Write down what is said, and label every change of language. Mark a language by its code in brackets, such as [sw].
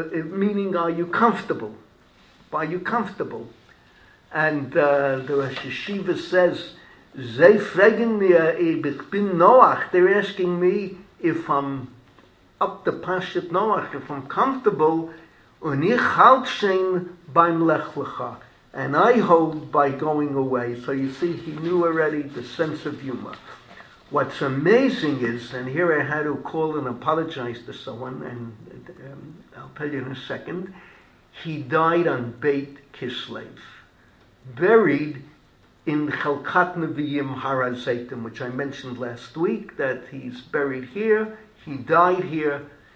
[en] Meaning, are you comfortable? Are you comfortable? And the Rosh Yeshiva says, [yi] Zei fregen mir, ich bin Noach. [en] They're asking me if I'm up the Pashat Noach, if I'm comfortable. [yi] Und ich halt schon beim Lech Lecha. [en] And I hold by going away. So you see, he knew already the sense of humor. What's amazing is, and here I had to call and apologize to someone, and I'll tell you in a second, he died on Beit Kislev, buried in Chalkat Neviim Har HaZeitim, which I mentioned last week, that he's buried here, he died here,